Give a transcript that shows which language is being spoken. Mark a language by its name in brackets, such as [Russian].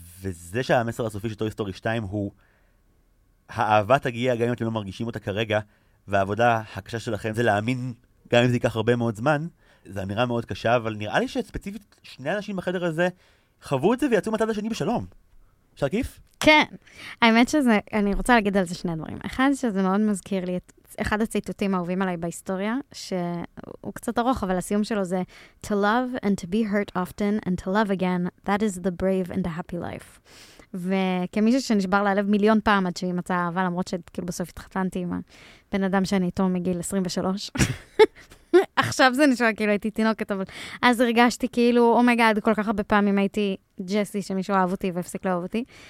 [Hebrew] וזה שהמסר הסופי של טוי סטורי 2 הוא האהבה תגיע גם אם אתם לא מרגישים אותה כרגע, והעבודה הקשה שלכם זה להאמין גם אם זה ייקח הרבה מאוד זמן. זו אמירה מאוד קשה, אבל נראה לי שספציפית שני אנשים בחדר הזה חוו את זה ויצאו מהצד השני בשלום. אפשר כיף? כן. האמת שזה, אני רוצה להגיד על זה שני דברים. אחד שזה מאוד מזכיר לי את אחד הציטוטים האהובים עליי בהיסטוריה, שהוא קצת ארוך, אבל הסיום שלו זה [English] "To love and to be hurt often and to love again, that is the brave and the happy life." [Hebrew] וכמישהו שנשבר לה לב מיליון פעם עד שהיא מצאה אהבה, למרות שכאילו בסוף התחתנתי עם הבן אדם שאני איתו מגיל 23. עכשיו זה נשמע כאילו הייתי תינוקת, אבל אז הרגשתי כאילו, אומייגאד, כל כך הרבה פעמים הייתי ג'סי שמישהו אהב אותי והפסיק לאהוב אותי.